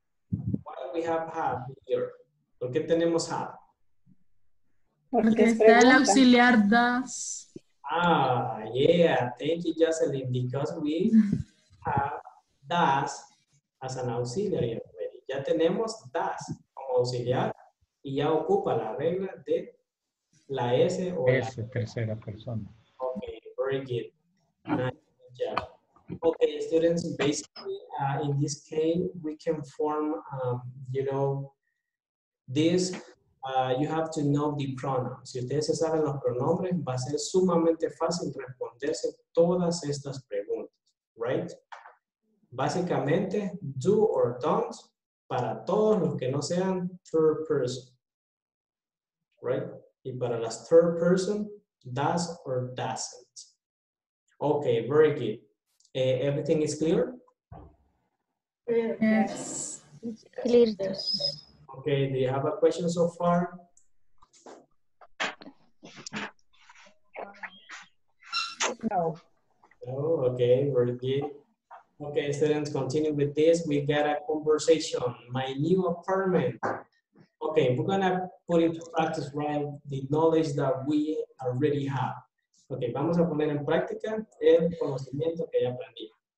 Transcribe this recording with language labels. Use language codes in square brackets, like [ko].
[en] Why do we have here? [es] ¿Por qué tenemos [en] have? [es] Porque está el auxiliar does. [en] Ah, yeah. Thank you, Jocelyn, because we have does as an auxiliary already. [es] Ya tenemos does como auxiliar y ya ocupa la regla de la S o S, la tercera persona. [en] Okay, very good. Nice job. Okay, students, basically, in this case, we can form, you know, this, you have to know the pronouns. [es] Si ustedes se saben los pronombres, va a ser sumamente fácil responderse todas estas preguntas, right? Básicamente, do or don't, para todos los que no sean third person, right? Y para las third person, does or doesn't. [en] Okay, very good. Everything is clear? Yes. Clear. Okay, do you have a question so far? No. Oh, okay, very good. Okay, students, continue with this. We got a conversation. My new apartment. Okay, we're gonna put into practice, right, the knowledge that we already have. [es] Okay, vamos a poner en práctica el conocimiento que ya aprendí.